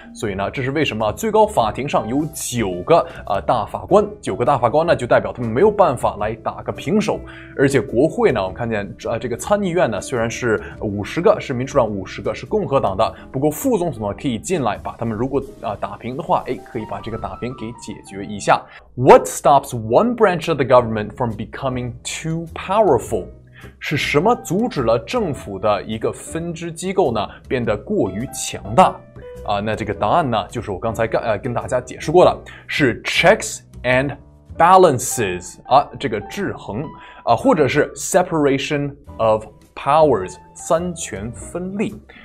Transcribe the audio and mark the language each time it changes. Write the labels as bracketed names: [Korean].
[Chinese] 所以呢，这是为什么最高法庭上有9个大法官，9个大法官呢，就代表他们没有办法来打个平手。而且国会呢，我们看见这个参议院呢，虽然是50个是民主党，50个是共和党的，不过副总统呢可以进来把他们如果打平的话，可以把这个打平给解决一下。 [English] What stops one branch of the government from becoming too powerful? [Chinese] 是什么阻止了政府的一个分支机构呢变得过于强大？那这个答案呢，就是我刚才跟大家解释过的，是 checks and balances 这个制衡或者是 separation of powers 三权分立。